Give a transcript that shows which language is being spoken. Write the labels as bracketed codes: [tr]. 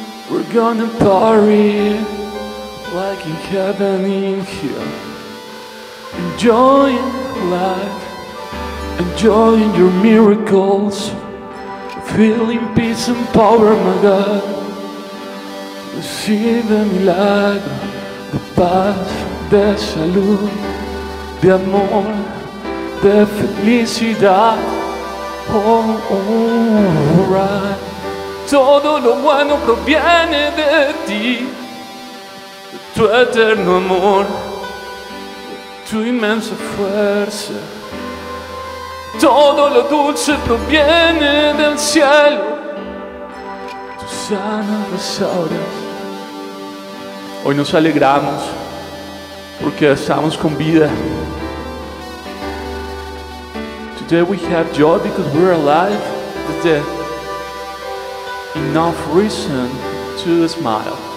[en] We're gonna party like in heaven in here. Enjoy life. Enjoying your miracles, feeling peace and power, my God. [es] Recibe milagro de paz, de salud, de amor, de felicidad. Alright. Todo lo bueno proviene de ti, de tu eterno amor, de tu inmensa fuerza. Todo lo dulce proviene del cielo. Tú sanas las auras. Hoy nos alegramos porque estamos con vida. [en] Today we have joy because we're alive. That's the enough reason to smile.